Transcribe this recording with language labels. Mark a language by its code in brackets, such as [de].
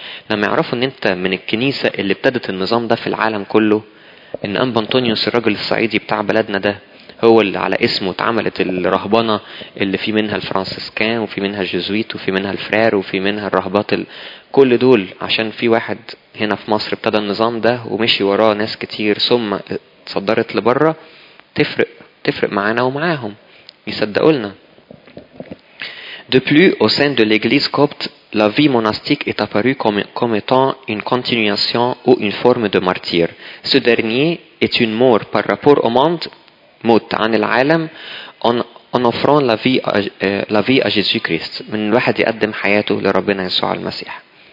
[ar] لما يعرفوا ان انت من الكنيسة اللي ابتدت النظام ده في العالم كله ان انبا انطونيوس الرجل الصعيدي بتاع بلدنا ده هو اللي على اسمه اتعملت الرهبانة اللي في منها الفرنسيسكان وفي منها الجزويت وفي منها الفرير وفي منها الرهبات كل دول عشان في واحد هنا في مصر ابتدى النظام ده ومشي وراه ناس كتير ثم اتصدرت لبرة تفرق معانا ومعاهم يصدقوا لنا. [fr] De plus, au sein de l'église copte, la vie monastique est apparue comme étant une continuation ou une forme de martyr. Ce dernier est une mort par rapport au monde, mort [ar] عن العالم, [fr] en offrant la vie à Jésus-Christ. [ar] من واحد يقدم حياته لربنا يسوع المسيح.